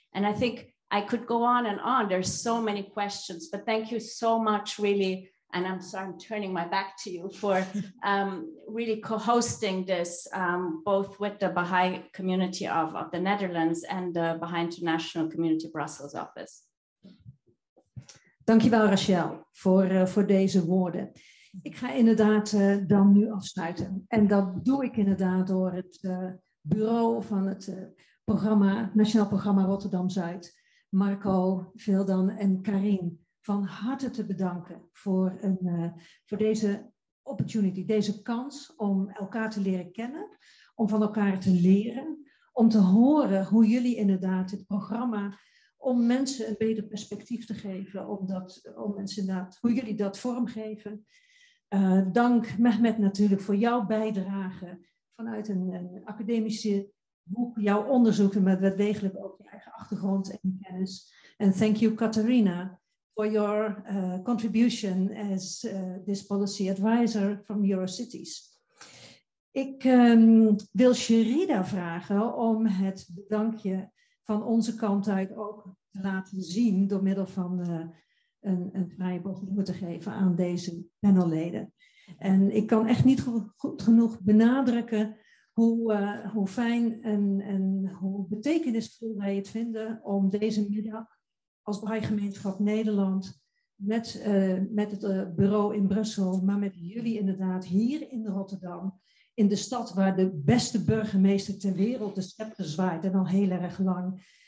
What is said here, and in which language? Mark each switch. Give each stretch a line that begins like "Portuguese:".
English: And I think I could go on and on. There's so many questions, but thank you so much, really. And I'm sorry, I'm turning my back to you for really co-hosting this, both with the Baha'i community of the Netherlands and the Baha'i International Community Brussels office.
Dutch: Dankjewel, Rachel, voor deze woorden. Ik ga inderdaad dan nu afsluiten. En dat doe ik inderdaad door het bureau van het programma, Nationaal Programma Rotterdam-Zuid, Marco, Vildan en Karin, van harte te bedanken voor deze opportunity, deze kans om elkaar te leren kennen, om van elkaar te leren, om te horen hoe jullie inderdaad het programma, om mensen een beter perspectief te geven, om mensen inderdaad, hoe jullie dat vormgeven. Dank Mehmet natuurlijk voor jouw bijdrage vanuit een academische boek, jouw onderzoek en met wel degelijk ook je eigen achtergrond en kennis.
English: And thank you, Katharina, for your contribution as this policy advisor from Eurocities.
Dutch: Ik wil Sherida vragen om het bedankje van onze kant uit ook te laten zien door middel van een vrije boodschap te geven aan deze panelleden. En ik kan echt niet goed genoeg benadrukken hoe fijn en hoe betekenisvol wij het vinden om deze middag als Baha'i-gemeenschap Nederland met het bureau in Brussel, maar met jullie inderdaad hier in Rotterdam, in de stad waar de beste burgemeester ter wereld de scepter zwaait en al heel erg lang.